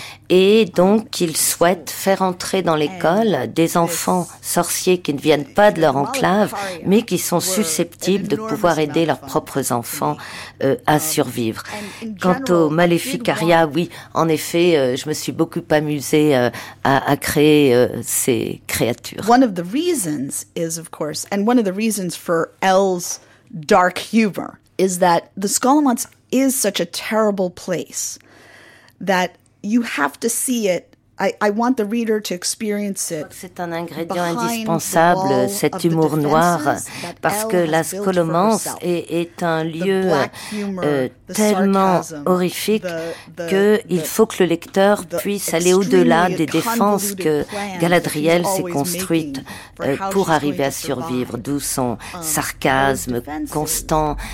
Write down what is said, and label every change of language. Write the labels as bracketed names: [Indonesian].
[French] Et donc, ils souhaitent faire entrer dans l'école des enfants sorciers qui ne viennent pas de leur enclave, mais qui sont susceptibles de pouvoir aider leurs propres enfants à survivre. Quant au Maleficaria, oui, en effet, je me suis beaucoup amusée à créer ces créatures. [English] One of the reasons is, of course, and one of the reasons for Elle's dark humor is that the Scolomance is such a terrible place that you have to see it. I want the reader to experience it. [French] C'est un ingrédient indispensable, cet humour noir, parce que la scolomance est un lieu tellement horrifique qu'il faut que le lecteur puisse aller au-delà des défenses que Galadriel s'est construite pour arriver à survivre, d'où son sarcasme constant.